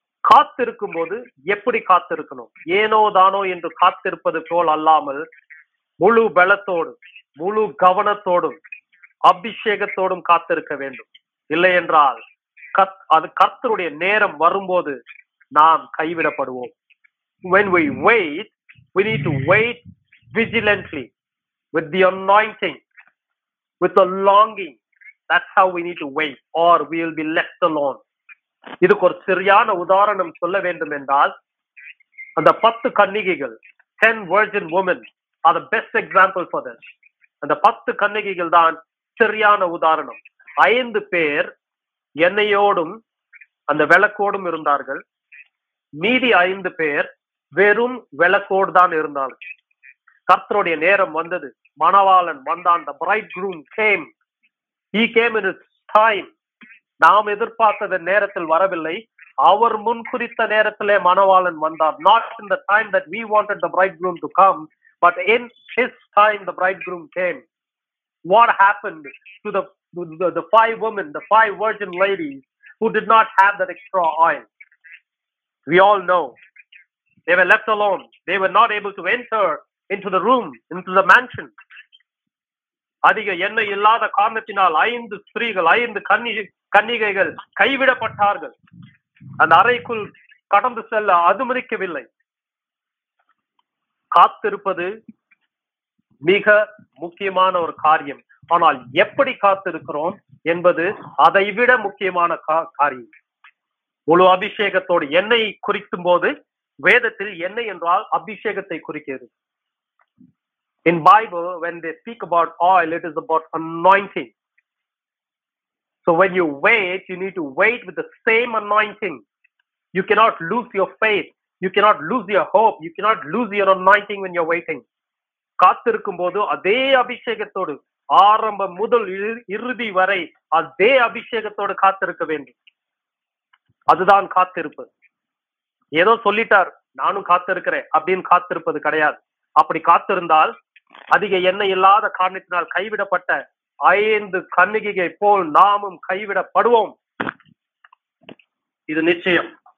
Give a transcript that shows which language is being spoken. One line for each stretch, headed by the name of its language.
Tamil: காத்திருக்கும் போது எப்படி காத்திருக்கணும், ஏனோ தானோ என்று காத்திருப்பது போல் அல்லாமல் முழு பலத்தோடும் முழு கவனத்தோடும் அபிஷேகத்தோடும் காத்திருக்க வேண்டும். இல்லை என்றால் அது கர்த்தருடைய நேரம் வரும்போது நாம் கைவிடப்படுவோம்.
English: When we wait, we need to wait vigilantly with the anointing, with the longing. That's how we need to wait, or we will be left alone.
Tamil: இதுக்கு ஒரு சரியான உதாரணம் சொல்ல வேண்டும் என்றால் அந்த 10 கன்னிகைகள்,
English: 10 virgin women are the best example for this.
Tamil: அந்த 10 கன்னிகைகள் தான் சரியான உதாரணம். 5 பேர் எண்ணெயோடும் அந்த விளக்கோடும் இருந்தார்கள், மீதி 5 பேர் வெறும் விளக்கோடு தான் இருந்தாங்க. கர்த்தருடைய நேரம் வந்தது, மணவாளன் வந்தான்,
English: the bridegroom came, he came in his time.
Tamil: நாம் எதிர்பார்த்தத நேரத்தில் வரவில்லை, அவர் முன் குறித்த நேரத்திலே மணவாளன் வந்தார்.
English: Not in the time that we wanted the bridegroom to come, but in his time the bridegroom came. What happened to the five women, the five virgin ladies who did not have that extra oil? We all know they were left alone, they were not able to enter into the room, into the mansion.
Tamil: அதிக எண்ணெய் இல்லாத காரணத்தினால் 5 ஸ்திரீகள், 5 கன்னிகைகள் கைவிடப்பட்டார்கள். அந்த அறைக்குள் கடந்து செல்ல அனுமதிக்கவில்லை. காத்திருப்பது மிக முக்கியமான ஒரு காரியம், ஆனால் எப்படி காத்திருக்கிறோம் என்பது அதை விட முக்கியமான காரியம். முழு அபிஷேகத்தோடு எண்ணெயை குறிக்கும் போது வேதத்தில் எண்ணெய் என்றால் அபிஷேகத்தை குறிக்கிறது.
English: In Bible, when they speak about oil, it is about anointing. So when you wait, you need to wait with the same anointing. You cannot lose your faith. You cannot lose your hope. You cannot lose your anointing when you're waiting.
Tamil: காத்திருக்கும் போது அதே அபிஷேகத்தோடு, ஆரம்ப முதல் இறுதி வரை அதே அபிஷேகத்தோடு காத்திருக்க வேண்டும். அதுதான் காத்திருப்பு. ஏதோ சொல்லிட்டார் நானும் காத்திருக்கிறேன் அப்படின்னு காத்திருப்பது கிடையாது. அப்படி காத்திருந்தால் அதிக எண்ணெய் இல்லாத காரணத்தினால் கைவிடப்பட்ட 5 கன்னிகைகளை போல் நாமும் கைவிடப்படுவோம். இது நிச்சயம்.